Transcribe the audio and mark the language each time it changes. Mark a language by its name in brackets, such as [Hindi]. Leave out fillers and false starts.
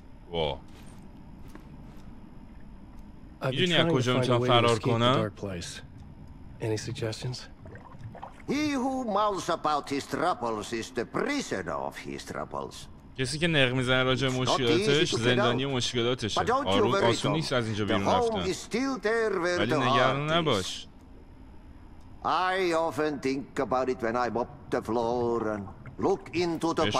[Persian] واه میدونی از کجا میتونم فرار کنم؟ [English] any suggestions? He who mouths about his troubles is the prisoner of his troubles. [Persian] کسی که نق میزنه راجع به مشکلاتش زندانی مشکلاتشه. آروم آسون نیست از اینجا بیرون رفتن. ولی نگران نباش. [English] I often think about it when I mop the floor and look into the puddle.